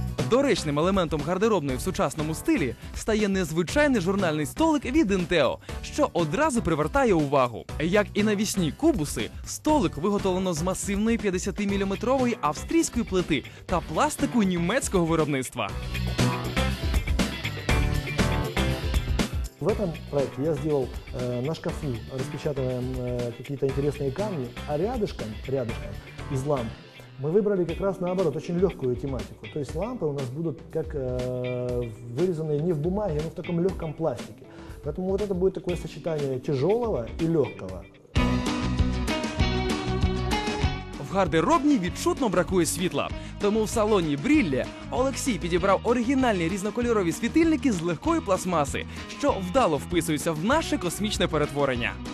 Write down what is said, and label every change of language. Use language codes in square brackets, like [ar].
[uk] Доречним елементом гардеробної в сучасному стилі стає незвичайний журнальний столик від Інтео, що одразу привертає увагу. Як і навісні кубуси, столик виготовлено з масивної 50-мм австрійської плити та пластику німецького виробництва. [ru] В этом проекте я сделал на шкафу, распечатываем какие-то интересные камни, а рядышком из ламп мы выбрали как раз наоборот очень легкую тематику. То есть лампы у нас будут как вырезаны не в бумаге, но в таком легком пластике. Поэтому вот это будет такое сочетание тяжелого и легкого. [uk] В гардеробні відчутно бракує світла. Тому в салоні «Брілля» Олексій підібрав оригінальні різнокольорові світильники з легкої пластмаси, що вдало вписуються в наше космічне перетворення.